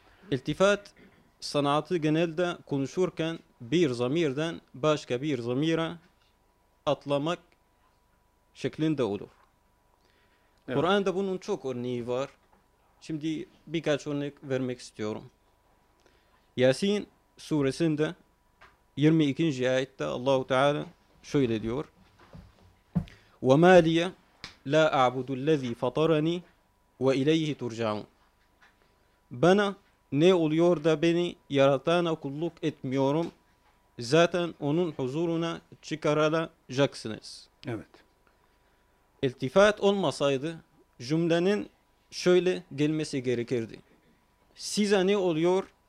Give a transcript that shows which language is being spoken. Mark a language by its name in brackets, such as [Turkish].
[Turkish] İltifat sanatı genelde konuşurken bir zamirden başka bir zamire atlamak şeklinde olur. Evet. Kur'an'da bunun çok örneği var. Şimdi birkaç örnek vermek istiyorum. Yasin suresinde 22. ayette Allah-u Teala şöyle diyor: [Arabic] وَمَا لِيَ لَا أَعْبُدُ الَّذ۪ي فَطَرَن۪ي وَاِلَيْهِ تُرْجَعُونَ. [Turkish] Bana ne oluyor da beni yaratana kulluk etmiyorum? Zaten onun huzuruna çıkarılacaksınız. Evet. İltifat olmasaydı cümlenin şöyle gelmesi gerekirdi: size ne oluyor